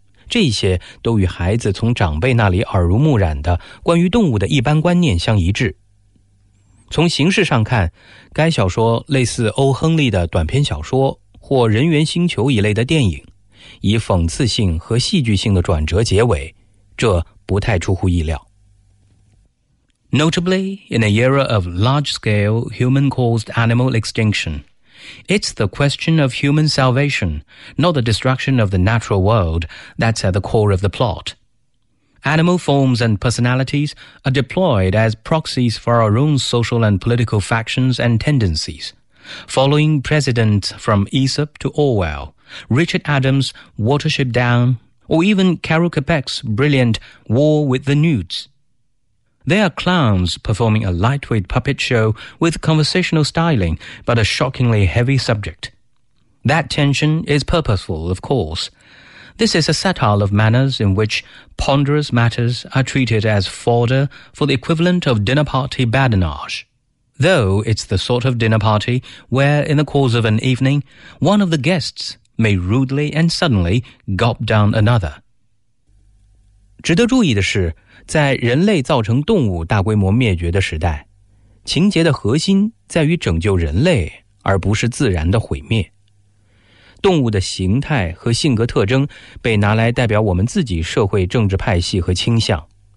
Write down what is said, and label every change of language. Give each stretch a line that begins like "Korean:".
Chinese: 这些都与孩子从长辈那里耳濡目染的关于动物的一般观念相一致。从形式上看，该小说类似欧·亨利的短篇小说或《人猿星球》一类的电影，以讽刺性和戏剧性的转折结尾，这不太出乎意料。
English: Notably, in an era of large-scale human-caused animal extinction, it's the question of human salvation, not the destruction of the natural world, that's at the core of the plot. Animal forms and personalities are deployed as proxies for our own social and political factions and tendencies, following presidents from Aesop to Orwell, Richard Adams' Watership Down, or even Carol Capek's brilliant War with the Newts. They are clowns performing a lightweight puppet show with conversational styling, but a shockingly heavy subject. That tension is purposeful, of course. This is a satire of manners in which ponderous matters are treated as fodder for the equivalent of dinner party badinage. Though it's the sort of dinner party where, in the course of an evening, one of the guests may rudely and suddenly gulp down another.
Chinese: 值得注意的是，在人类造成动物大规模灭绝的时代，情节的核心在于拯救人类，而不是自然的毁灭。动物的形态和性格特征被拿来代表我们自己社会政治派系和倾向。